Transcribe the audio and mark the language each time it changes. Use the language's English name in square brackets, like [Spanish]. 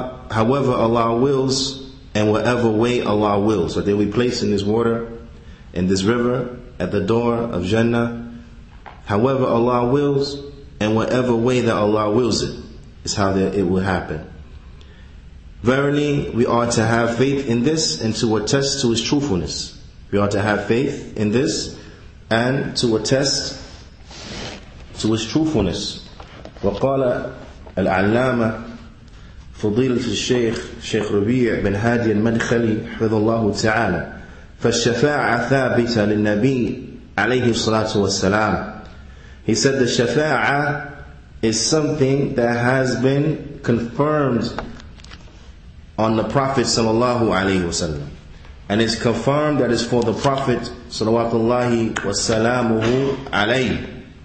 [English] However Allah wills, and whatever way Allah wills, that they will be placed in this water, in this river, at the door of Jannah, however Allah wills, and whatever way that Allah wills it, is how it will happen. Verily, we are to have faith in this and to attest to its truthfulness. We are to have faith in this and to attest to its truthfulness. [Arabic] وقال العلامة فضيلة الشيخ شيخ ربيع بن هادي المدخلي حفظ الله تعالى فالشفاعة ثابتة للنبي عليه الصلاة والسلام. [English] He said the shafa'ah is something that has been confirmed on the Prophet sallallahu alaihi wasallam, and it's confirmed that it's for the Prophet sallallahu wasallamuhu alaihi.